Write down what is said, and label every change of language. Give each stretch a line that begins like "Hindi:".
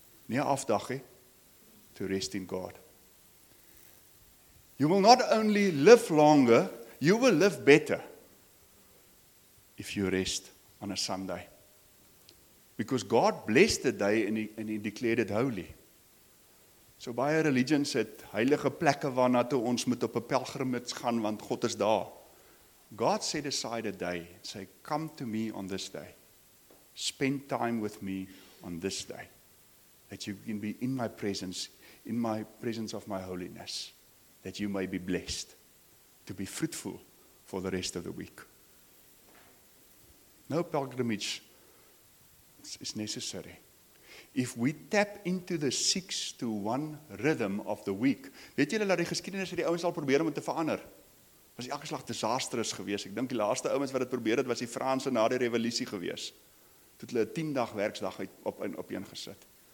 Afrikaans: Nie afdag, he,
English: to rest in God. You will not only live longer, you will live better if you rest on a Sunday. Because God blessed the day and he declared it holy.
Afrikaans: So baie religions het heilige plekke waarna toe ons moet op 'n pelgrimage gaan, want God is daar.
English: God set aside a day, say, come to me on this day. Spend time with me on this day. That you can be in my presence, in my presence of my holiness, that you may be blessed to be fruitful for the rest of the week. No pilgrimage is necessary. If we tap into the 6-to-1 rhythm of the week,
Afrikaans: weet julle dat die geskiedenis het die ouens al probeer om te verander. Was elke slag desastres geweest. Ek dink die laaste ouens wat dit probeer het was die Franse na die revolusie geweest. Toe hulle 10-dag werksdag op een gesit.